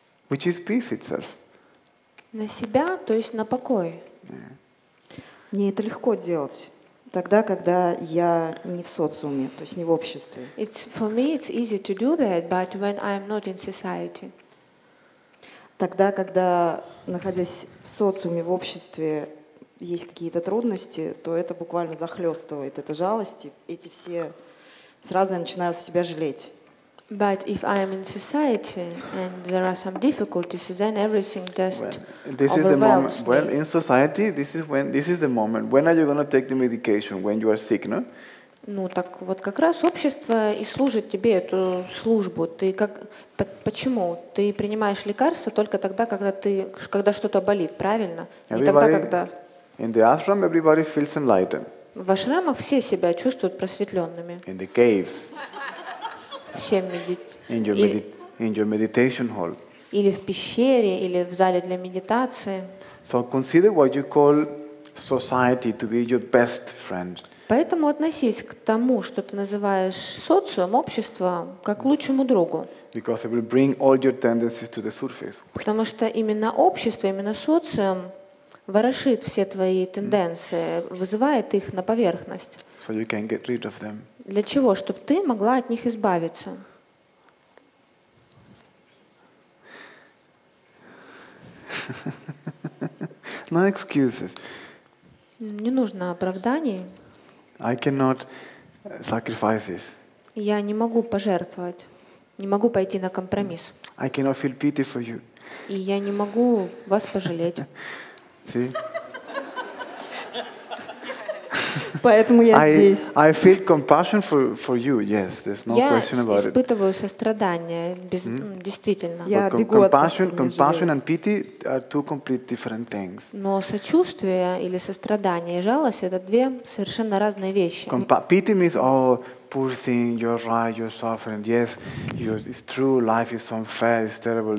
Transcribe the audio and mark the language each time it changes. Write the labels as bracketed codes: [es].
[en] Which is peace itself. [ru] На себя, то есть на покой. Мне это легко делать тогда, когда я не в социуме, то есть не в обществе. [en] It's for me it's easy to do that, but when I'm not in society. [ru] Тогда, когда находясь в социуме, в обществе, есть какие-то трудности, то это буквально захлестывает, это жалости, эти все сразу я начинаю себя жалеть. [en] But if I am in society and there are some difficulties, then everything just overwhelms me. Well, in society, this is the moment. When are you going to take the medication? When you are sick, no? [ru] Ну так вот как раз общество и служит тебе эту службу. Ты как почему ты принимаешь лекарства только тогда, когда что-то болит, правильно? [en] Everybody, не тогда, когда. In the ashram, everybody feels enlightened. [ru] В ашрамах все себя чувствуют просветленными. [en] In the caves. In your meditation hall. [ru] Или в пещере, или в зале для медитации. [en] So consider what you call society to be your best friend. [ru] Поэтому относись к тому, что ты называешь социум, общество, как лучшему другу. [en] Because it will bring all your tendencies to the surface. [ru] Потому что именно общество, именно социум ворошит все твои тенденции, вызывает их на поверхность. [en] So you can get rid of them. [ru] Для чего? Чтобы ты могла от них избавиться. [en] No excuses. [ru] Не нужно оправданий. [en] I cannot sacrifice this. [ru] Я не могу пожертвовать. Не могу пойти на компромисс. [en] I cannot feel pity for you. [ru] И я не могу вас пожалеть. [en] See? [ru] Поэтому я здесь. [en] I feel compassion for you. Yes, there's no question about it. [ru] Я испытываю сострадание, действительно. Я бегу от [en] compassion, compassion and pity are two complete different things. [ru] Но сочувствие или сострадание и жалость — это две совершенно разные вещи. [en] Pity means, oh, poor thing, you're right, you're suffering. Yes, it's true, life is unfair, it's terrible.